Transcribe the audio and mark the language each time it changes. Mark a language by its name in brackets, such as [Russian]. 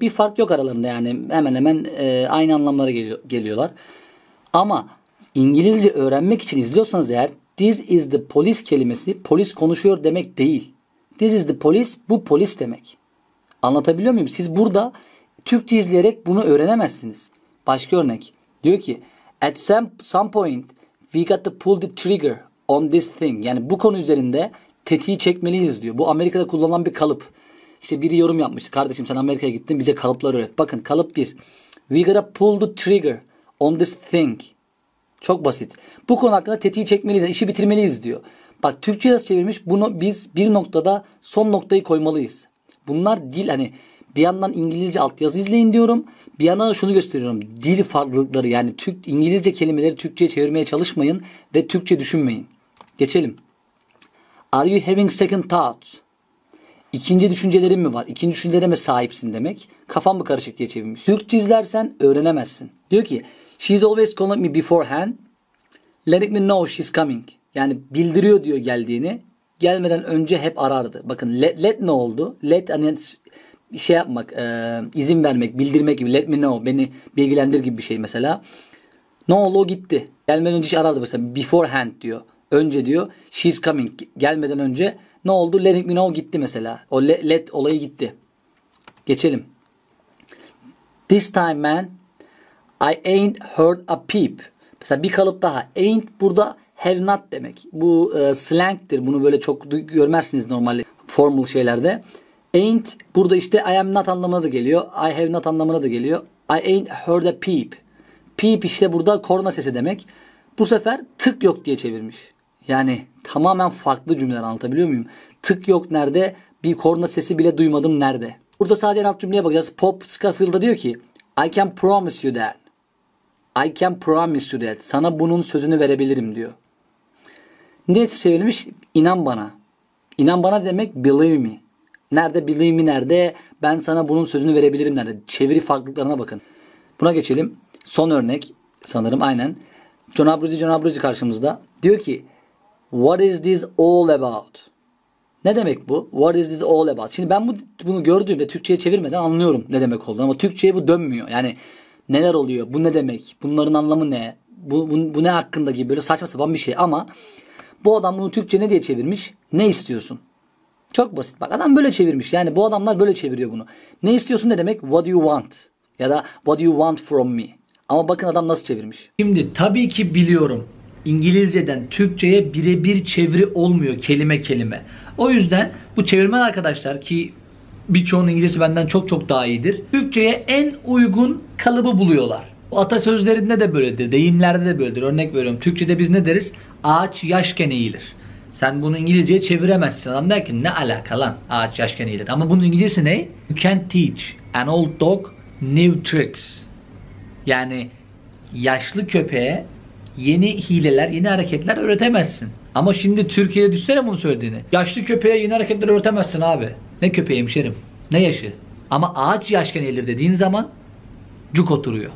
[Turkish] Bir fark yok aralarında yani. Hemen hemen aynı anlamlara geliyorlar. Ama İngilizce öğrenmek için izliyorsanız eğer [English] this is the police [Turkish] kelimesi polis konuşuyor demek değil. [English] This is the police [Turkish] bu polis demek. Anlatabiliyor muyum? Siz burada Türkçe izleyerek bunu öğrenemezsiniz. Başka örnek. Diyor ki [English] at some point we got to pull the trigger on this thing. [Turkish] Yani bu konu üzerinde tetiği çekmeliyiz diyor. Bu Amerika'da kullanılan bir kalıp. İşte biri yorum yapmıştı. Kardeşim sen Amerika'ya gittin bize kalıplar öğret. Bakın kalıp 1. [English] We got to pull the trigger on this thing. [Turkish] Çok basit. Bu konu hakkında tetiği çekmeliyiz. İşi bitirmeliyiz diyor. Bak Türkçe nasıl çevirmiş? Bunu biz bir noktada son noktayı koymalıyız. Bunlar dil hani bir yandan İngilizce altyazı izleyin diyorum. Bir yandan da şunu gösteriyorum. Dil farklılıkları yani Türk İngilizce kelimeleri Türkçe'ye çevirmeye çalışmayın ve Türkçe düşünmeyin. Geçelim. [English] Are you having second thoughts? [Turkish] İkinci düşüncelerin mi var? İkinci düşüncelere mi sahipsin demek? Kafam mı karışık diye çevirmiş. Türkçe izlersen öğrenemezsin. Diyor ki [English] she's always calling me beforehand. Letting me know she's coming. [Turkish] Yani bildiriyor diyor geldiğini. Gelmeden önce hep arardı. Bakın let ne oldu? Let hani şey yapmak, izin vermek, bildirmek gibi. [English] Let me know, [Turkish] beni bilgilendir gibi bir şey mesela. Ne oldu? O gitti. Gelmeden önce hiç arardı mesela. [English] Beforehand [Turkish] diyor. Önce diyor. [English] She's coming. [Turkish] Gelmeden önce. Ne oldu? [English] Let me know [Turkish] gitti mesela. O let olayı gitti. Geçelim. [English] This time man, I ain't heard a peep. [Turkish] Mesela bir kalıp daha. Ain't burada. [English] Have not [Turkish] demek. Bu slang'tir. Bunu böyle çok görmezsiniz normal formal şeylerde. Ain't burada işte [English] I am not [Turkish] anlamına da geliyor. [English] I have not [Turkish] anlamına da geliyor. [English] I ain't heard a peep. [Turkish] Peep işte burada korna sesi demek. Bu sefer tık yok diye çevirmiş. Yani tamamen farklı cümleler anlatabiliyor muyum? Tık yok nerede? Bir korna sesi bile duymadım nerede? Burada sadece en alt cümleye bakacağız. Pop Scafield'a diyor ki [English] I can promise you that. I can promise you that. [Turkish] Sana bunun sözünü verebilirim diyor. Ne çevrilmiş? İnan bana. İnan bana demek [English] believe me. [Turkish] Nerede [English] believe me [Turkish] nerede? Ben sana bunun sözünü verebilirim nerede? Çeviri farklılıklarına bakın. Buna geçelim. Son örnek sanırım aynen. John Abruzzi karşımızda. Diyor ki [English] what is this all about? [Turkish] Ne demek bu? [English] What is this all about? [Turkish] Şimdi ben bunu gördüğümde Türkçe'ye çevirmeden anlıyorum ne demek olduğunu. Ama Türkçe'ye bu dönmüyor. Yani neler oluyor? Bu ne demek? Bunların anlamı ne? Bu ne hakkında gibi böyle saçma sapan bir şey. Ama bu adam bunu Türkçe ne diye çevirmiş? Ne istiyorsun? Çok basit. Bak adam böyle çevirmiş. Yani bu adamlar böyle çeviriyor bunu. Ne istiyorsun ne demek? [English] What do you want? [Turkish] Ya da [English] what do you want from me? [Turkish] Ama bakın adam nasıl çevirmiş. Şimdi tabii ki biliyorum. İngilizceden Türkçe'ye birebir çeviri olmuyor kelime kelime. O yüzden bu çevirmen arkadaşlar ki birçoğunun İngilizcesi benden çok çok daha iyidir. Türkçe'ye en uygun kalıbı buluyorlar. Atasözlerinde de böyledir. Deyimlerde de böyledir. Örnek veriyorum. Türkçe'de biz ne deriz? Ağaç yaşken eğilir. Sen bunu İngilizce'ye çeviremezsin. Adam der ki ne alaka lan ağaç yaşken eğilir. Ama bunun İngilizcesi ne? [English] You can teach an old dog new tricks. [Turkish] Yani yaşlı köpeğe yeni hileler, yeni hareketler öğretemezsin. Ama şimdi Türkiye'de düşsene bunu söylediğini. Yaşlı köpeğe yeni hareketler öğretemezsin abi. Ne köpeği hemşerim, ne yaşı. Ama ağaç yaşken eğilir dediğin zaman cuk oturuyor.